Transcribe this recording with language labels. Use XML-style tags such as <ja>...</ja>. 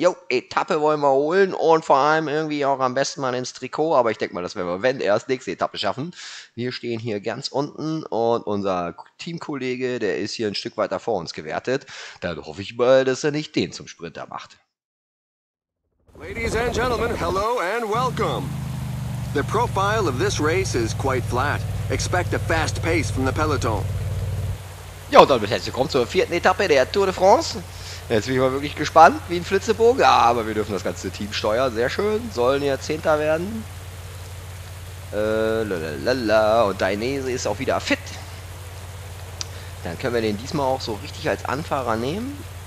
<de>Jo, Etappe wollen wir holen und vor allem irgendwie auch am besten mal ins Trikot. Aber ich denke mal, das werden wir, wenn erst nächste Etappe schaffen. Wir stehen hier ganz unten und unser Teamkollege, der ist hier ein Stück weiter vor uns gewertet. Dann hoffe ich mal, dass er nicht den zum Sprinter macht.</de> <en>Ladies and Gentlemen, hello and welcome. The profile of this race is quite flat. Expect a fast pace from the peloton.</en> <de>Ja, und damit herzlich willkommen zur vierten Etappe der Tour de France. Jetzt bin ich mal wirklich gespannt, wie ein Flitzebogen. Ja, aber wir dürfen das ganze Team steuern. Sehr schön. Sollen ja Zehnter werden. Lalala. Und Dainese ist auch wieder fit. Dann können wir den diesmal auch so richtig als Anfahrer nehmen.</de>